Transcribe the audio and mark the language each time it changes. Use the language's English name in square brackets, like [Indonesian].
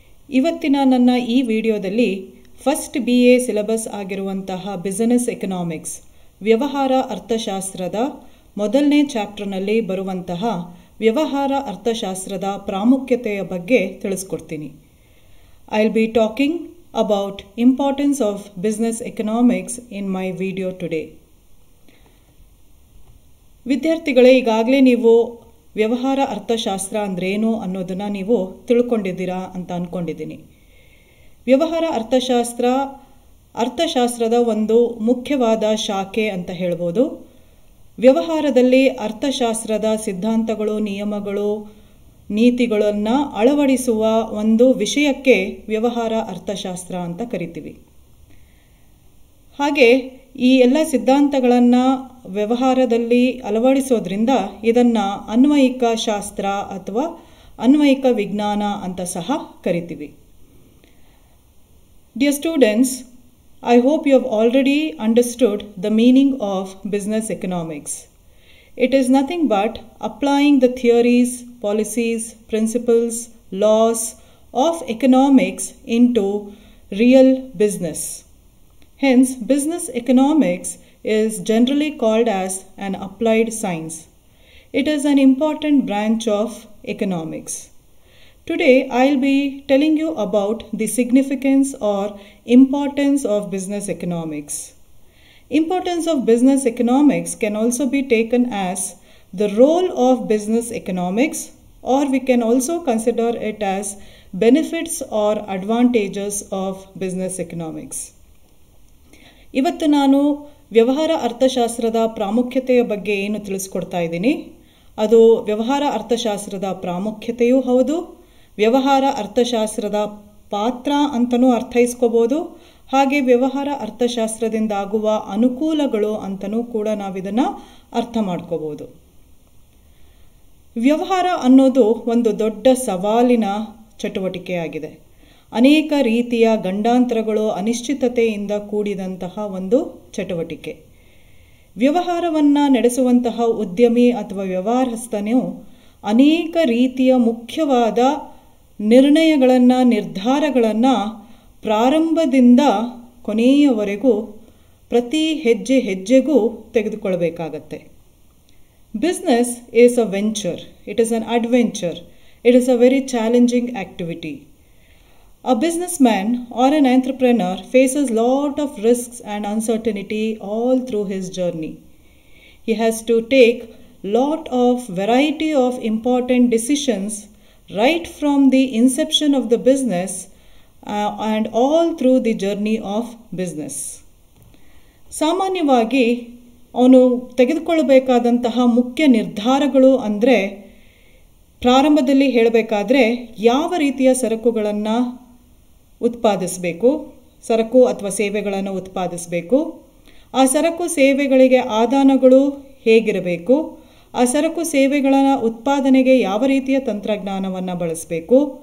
[Kannada] ಇವತ್ತಿನ ನನ್ನ ಈ ವಿಡಿಯೋದಲ್ಲಿ ಫಸ್ಟ್ ಬಿ ಎ ಸಿಲೆಬಸ್ ಆಗಿರುವಂತಹ ಬಿಸಿನೆಸ್ ಎಕನಾಮಿಕ್ಸ್ ವ್ಯವಹಾರ ಅರ್ಥಶಾಸ್ತ್ರದ ಮೊದಲನೇ ಚಾಪ್ಟರ್ನಲ್ಲಿ ಬರುವಂತಹ ವ್ಯವಹಾರ ಅರ್ಥಶಾಸ್ತ್ರದ ಪ್ರಾಮುಖ್ಯತೆಯ ಬಗ್ಗೆ ತಿಳಿಸ್ಕೊಡ್ತೀನಿ. [English] I'll be talking about importance of business economics in my video today. [Kannada] ವಿದ್ಯಾರ್ಥಿಗಳೇ, ಈಗಾಗಲೇ ನೀವು ವ್ಯವಹಾರ ಅರ್ಥಶಾಸ್ತ್ರ ಅಂದ್ರೆ ಏನು ಅನ್ನೋದನ್ನು ನೀವು ತಿಳ್ಕೊಂಡಿದ್ದೀರಾ ಅಂತ ಅಂದ್ಕೊಂಡಿದ್ದೀನಿ. ವ್ಯವಹಾರ ಅರ್ಥಶಾಸ್ತ್ರ ಅರ್ಥಶಾಸ್ತ್ರದ ಒಂದು ಮುಖ್ಯವಾದ ಶಾಖೆ ಅಂತ ಹೇಳ್ಬೋದು. ವ್ಯವಹಾರದಲ್ಲಿ ಅರ್ಥಶಾಸ್ತ್ರದ ಸಿದ್ಧಾಂತಗಳು, ನಿಯಮಗಳು, ನೀತಿಗಳನ್ನು ಅಳವಡಿಸುವ ಒಂದು ವಿಷಯಕ್ಕೆ ವ್ಯವಹಾರ ಅರ್ಥಶಾಸ್ತ್ರ ಅಂತ ಕರಿತೀವಿ. ಹಾಗೆ ಈ ಎಲ್ಲ ಸಿದ್ಧಾಂತಗಳನ್ನು ವ್ಯವಹಾರದಲ್ಲಿ ಅಳವಡಿಸೋದ್ರಿಂದ ಇದನ್ನು ಅನ್ವಯಿಕ ಶಾಸ್ತ್ರ ಅಥವಾ ಅನ್ವಯಿಕ ವಿಜ್ಞಾನ ಅಂತ ಸಹ ಕರಿತೀವಿ. [English] Dear students, I hope you have already understood the meaning of business economics. It is nothing but applying the theories, policies, principles, laws of economics into real business. Hence, business economics is generally called as an applied science. It is an important branch of economics. Today, I'll be telling you about the significance or importance of business economics. Importance of business economics can also be taken as the role of business economics, or we can also consider it as benefits or advantages of business economics. [Kannada] ಇವತ್ತು ನಾನು ವ್ಯವಹಾರ ಅರ್ಥಶಾಸ್ತ್ರದ ಪ್ರಾಮುಖ್ಯತೆಯ ಬಗ್ಗೆ ಏನು ತಿಳಿಸ್ಕೊಡ್ತಾ ಇದ್ದೀನಿ, ಅದು ವ್ಯವಹಾರ ಅರ್ಥಶಾಸ್ತ್ರದ ಪ್ರಾಮುಖ್ಯತೆಯೂ ಹೌದು, ವ್ಯವಹಾರ ಅರ್ಥಶಾಸ್ತ್ರದ ಪಾತ್ರ ಅಂತಲೂ ಅರ್ಥೈಸ್ಕೋಬೋದು, ಹಾಗೆ ವ್ಯವಹಾರ ಅರ್ಥಶಾಸ್ತ್ರದಿಂದಾಗುವ ಅನುಕೂಲಗಳು ಅಂತಲೂ ಕೂಡ ನಾವಿದನ್ನು ಅರ್ಥ ಮಾಡ್ಕೋಬೋದು. ವ್ಯವಹಾರ ಅನ್ನೋದು ಒಂದು ದೊಡ್ಡ ಸವಾಲಿನ ಚಟುವಟಿಕೆಯಾಗಿದೆ. ಅನೇಕ ರೀತಿಯ ಗಂಡಾಂತರಗಳು, ಅನಿಶ್ಚಿತತೆಯಿಂದ ಕೂಡಿದಂತಹ ಒಂದು ಚಟುವಟಿಕೆ. ವ್ಯವಹಾರವನ್ನು ನಡೆಸುವಂತಹ ಉದ್ಯಮಿ ಅಥವಾ ವ್ಯವಹಾರಸ್ಥನು ಅನೇಕ ರೀತಿಯ ಮುಖ್ಯವಾದ ನಿರ್ಣಯಗಳನ್ನು, ನಿರ್ಧಾರಗಳನ್ನು ಪ್ರಾರಂಭದಿಂದ ಕೊನೆಯವರೆಗೂ ಪ್ರತಿ ಹೆಜ್ಜೆ ಹೆಜ್ಜೆಗೂ ತೆಗೆದುಕೊಳ್ಳಬೇಕಾಗತ್ತೆ. [English] Business is a venture. It is an adventure. It is a very challenging activity. A businessman or an entrepreneur faces a lot of risks and uncertainty all through his journey. He has to take lot of variety of important decisions right from the inception of the business and all through the journey of business. [Kannada] ಸಾಮಾನ್ಯವಾಗಿ ಅವನು ತೆಗೆದುಕೊಳ್ಳಬೇಕಾದಂತಹ ಮುಖ್ಯ ನಿರ್ಧಾರಗಳು ಅಂದರೆ, ಪ್ರಾರಂಭದಲ್ಲಿ ಹೇಳಬೇಕಾದ್ರೆ ಯಾವ ರೀತಿಯ ಸರಕುಗಳನ್ನು ಉತ್ಪಾದಿಸಬೇಕು, ಸರಕು ಅಥವಾ ಸೇವೆಗಳನ್ನು ಉತ್ಪಾದಿಸಬೇಕು, ಆ ಸರಕು ಸೇವೆಗಳಿಗೆ ಆದಾನಗಳು ಹೇಗಿರಬೇಕು, ಆ ಸರಕು ಸೇವೆಗಳ ಉತ್ಪಾದನೆಗೆ ಯಾವ ರೀತಿಯ ತಂತ್ರಜ್ಞಾನವನ್ನು ಬಳಸಬೇಕು,